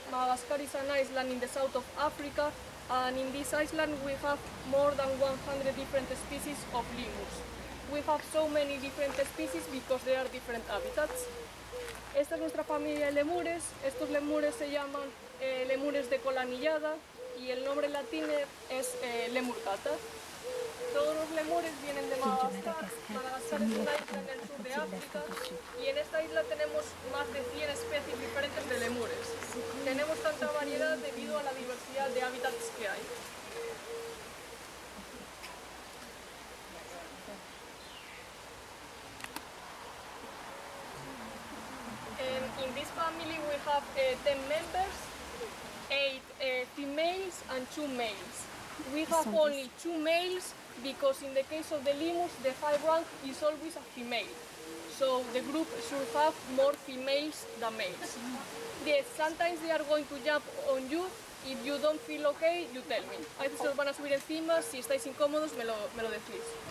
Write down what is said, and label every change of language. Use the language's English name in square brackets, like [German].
[English] Madagascar is an island in the south of Africa, and in this island we have more than 100 different species of lemurs. We have so many different species because there are different habitats. [Spanish] Esta es nuestra familia de lemures. Estos lemures se llaman lemures de cola anillada y el nombre latín es lemurcata. Todos los lemures vienen de Madagascar. Madagascar es una isla en el sur de África y en esta isla tenemos más de 100 especies diferentes de lemures. Tenemos tanta variedad debido a la diversidad de hábitats que hay. [English] In this family we have 10 members, 8 females and 2 males. We have only 2 males because in the case of the lemurs, the high rank is always a female. So the group should have more females than males. Yes, sometimes they are going to jump on you. If you don't feel okay, you tell me. [Spanish] A veces os van a subir encima, si estáis incómodos me lo decís.